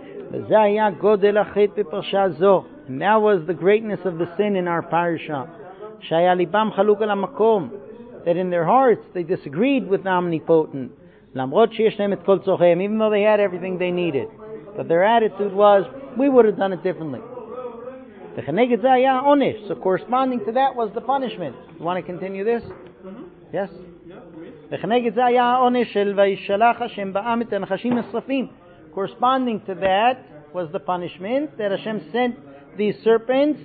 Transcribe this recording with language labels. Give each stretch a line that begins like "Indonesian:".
Hebrew: וזה היה גודל החטא בפרשה זו.
English: And that was the greatness of the sin in our parasha.
Hebrew: שהיה ליבם חלוק על המקום.
English: That in their hearts they disagreed with the Omnipotent.
Hebrew: למרות שיש להם את כל צורכיהם,
English: even though they had everything they needed. But their attitude was, we would have done it differently.
Hebrew: וכנגד זה היה עונש.
English: So corresponding to that was the punishment. You want to continue this? Yes?
Hebrew: וכנגד זה היה עונש של וישלח השם בעם את הנחשים השרפים.
English: Corresponding to that was the punishment that Hashem sent these serpents.